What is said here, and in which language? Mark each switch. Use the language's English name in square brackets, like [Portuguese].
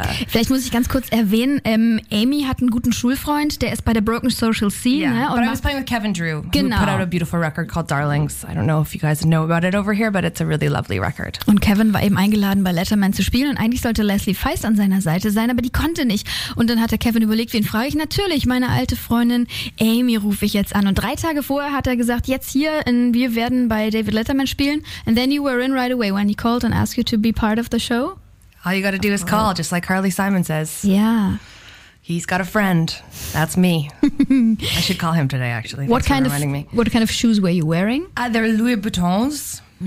[German] Vielleicht muss ich ganz kurz erwähnen, Amy hat einen guten Schulfreund, der ist bei der Broken Social Scene. [English] Yeah, [German] ne? [English] Und but I was playing with Kevin Drew, [German] genau. [English] Who put out a beautiful record called Darlings. I don't know if you guys know about it over here, but it's a really lovely record. [German] Und Kevin war eben eingeladen, bei Letterman zu spielen und eigentlich sollte Leslie Feist an seiner Seite sein, aber die konnte nicht. Und dann hat der Kevin überlegt, wen frage ich? Natürlich, meine alte Freundin Amy rufe ich jetzt an. Und 3 Tage vorher hat er gesagt, jetzt hier in Wir werden bei David Letterman spielen. [English] And then you were in right away when he called and asked you to be part of the show. All you got to do is call, just like Carly Simon says. Yeah. He's got a friend. That's me. I should call him today, actually. What kind, reminding of, me. What kind of shoes were you wearing? They're Louis Vuittons.